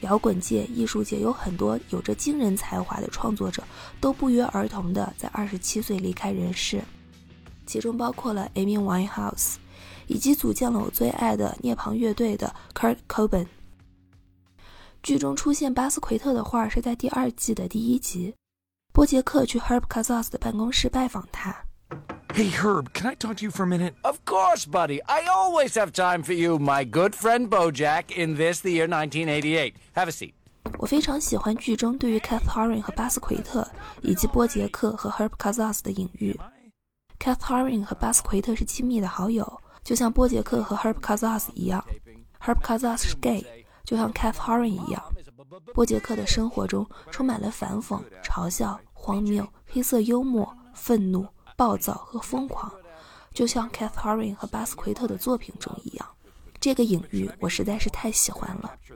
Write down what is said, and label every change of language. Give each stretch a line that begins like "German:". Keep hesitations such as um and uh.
Chinese: 摇滚界、艺术界有很多有着惊人才华的创作者，都不约而同的在二十七岁离开人世，其中包括了 Amy Winehouse，以及组建了我最爱的涅槃乐队的 Kurt Cobain。剧中出现巴斯奎特的画是在第二季的第一集，波杰克去 Herb c a s s a s 的办公室拜访他。
English: Hey Herb, can I talk to you for a minute? Of course, buddy. I always have time for you, my good friend Bojack. In this, the year 1988. Have a seat.
Chinese: 我非常喜欢剧中对于 k a t h a r i n e 和巴斯奎特以及波杰克和 Herb c a s s a s 的隐喻。 k a t h a r i n e 和巴斯奎特是亲密的好友，就像波杰克和 Herb c a s s a s 一样。 Herb c a s s a s 是 gay。就像 k a t h a r i n 一样，波杰克的生活中充满了反讽、嘲笑、荒谬、黑色幽默、愤怒、暴躁和疯狂，就像 k a t h a r i n 和巴斯奎特的作品中一样。这个隐喻我实在是太喜欢了。